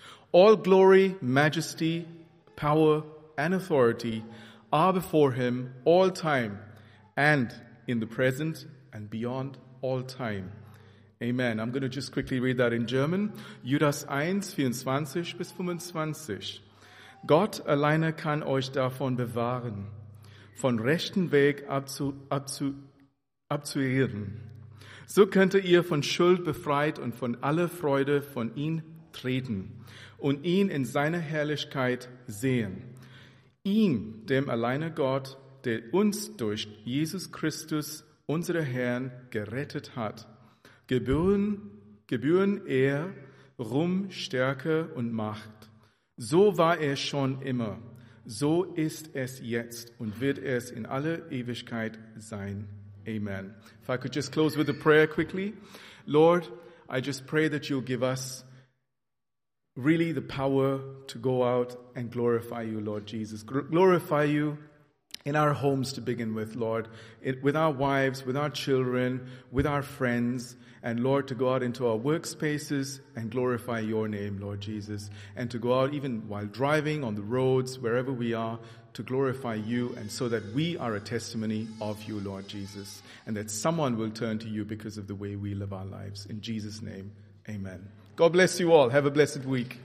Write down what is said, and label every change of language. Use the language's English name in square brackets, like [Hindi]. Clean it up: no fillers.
[English] All glory, majesty, power, and authority are before him all time and in the present and beyond all time. Amen. I'm going to just quickly read that in German. [German] Judas 1, 24 bis 25. Gott alleine kann euch davon bewahren, von rechten Weg abzuirren. So könnt ihr von Schuld befreit und von aller Freude von ihm treten und ihn in seiner Herrlichkeit sehen. Ihm, dem alleine Gott, der uns durch Jesus Christus, unseren Herrn, gerettet hat, gebühren er Ruhm, Stärke und Macht. So war er schon immer, so ist es jetzt und wird es in aller Ewigkeit sein. Amen. [English] If I could just close with a prayer quickly. Lord, I just pray that you'll give us really the power to go out and glorify you, Lord Jesus. Glorify you in our homes to begin with, Lord, with our wives, with our children, with our friends, and Lord, to go out into our workspaces and glorify your name, Lord Jesus, and to go out even while driving on the roads, wherever we are, to glorify you, and so that we are a testimony of you, Lord Jesus, and that someone will turn to you because of the way we live our lives. In Jesus' name, amen. God bless you all. Have a blessed week.